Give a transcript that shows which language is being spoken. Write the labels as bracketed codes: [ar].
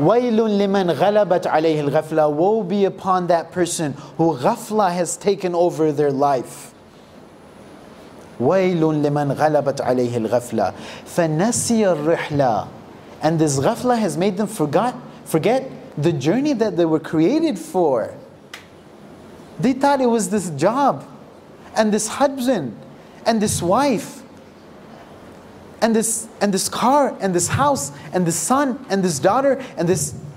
[ar] ويل لمن غلبت عليه الغفلة. [en] Woe be upon that person who ghafla has taken over their life. [ar] ويل لمن غلبت عليه الغفلة. فنسي الرحلة. [en] And this ghafla has made them forget the journey that they were created for. They thought it was this job, and this husband, and this wife, and this car, and this house, and this son, and this daughter, and this.